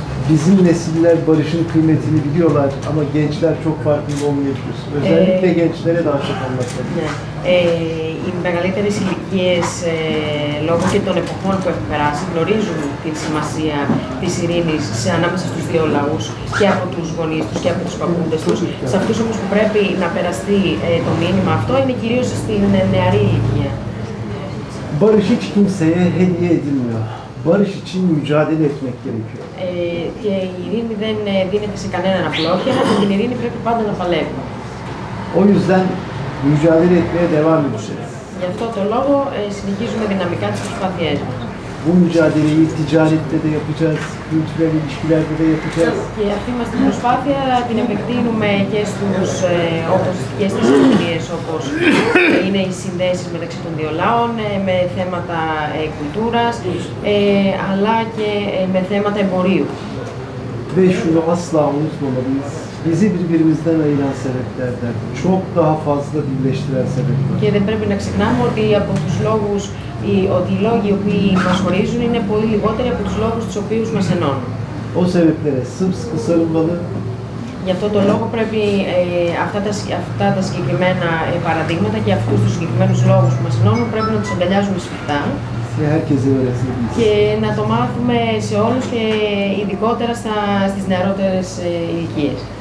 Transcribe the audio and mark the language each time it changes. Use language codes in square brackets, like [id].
[tr] Bizim nesiller barışın kıymetini biliyorlar ama gençler çok farkında olmayabilir. Özellikle gençlere daha çok anlatmalıyız. [el] Οι μεγαλύτερες ηλικίες, λόγω και των εποχών που έχουν περάσει, γνωρίζουν τη σημασία της ειρήνης σε ανάμεσα στους δύο λαούς και από τους γονείς τους και από τους παππούδες τους. Σε αυτούς όμως που πρέπει να περαστεί το μήνυμα αυτό είναι κυρίως στην νεαρή ηλικία. [tr] Barış hiç kimseye hediye edilmiyor. Barış için mücadele etmek gerekiyor. [el] Και η ειρήνη δεν δίνεται σε κανέναν απλόχερα, αλλά την ειρήνη πρέπει πάντα να παλεύουμε. [tr] O yüzden mücadele etmeye devam edeceğiz. [el] Γι' αυτό το λόγο συνεχίζουμε δυναμικά τις προσπάθειές μας. [tr] Bu mücadeleyi ticarette de yapacağız, kültürel ilişkilerde de yapacağız. [el] Και αυτή μας την προσπάθεια την επεκτείνουμε και στους συνεδρίες όπως είναι οι συνδέσεις μεταξύ των δύο λαών, με θέματα κουλτούρας, αλλά και με θέματα εμπορίου. [tr] Ve şunu asla unutmamalıyız. Bizi birbirimizden ayıran sebeplerden çok daha fazla birleştiren sebepler. [el] Και δεν πρέπει να ξεχνάμε ότι από τους λόγους, ότι οι λόγοι που μας χωρίζουν είναι πολύ λιγότεροι από τους λόγους τους οποίους μας ενώνουν. [tr] O sebeplere sımsıkı sarılmalı. [el] Γι' αυτό το λόγο πρέπει αυτά τα συγκεκριμένα παραδείγματα και αυτούς τους συγκεκριμένους λόγους που μας ενώνουν πρέπει να τους αγκαλιάζουμε σφιχτά. Και να το μάθουμε σε όλους και ειδικότερα στις νεαρότερες ηλικίες.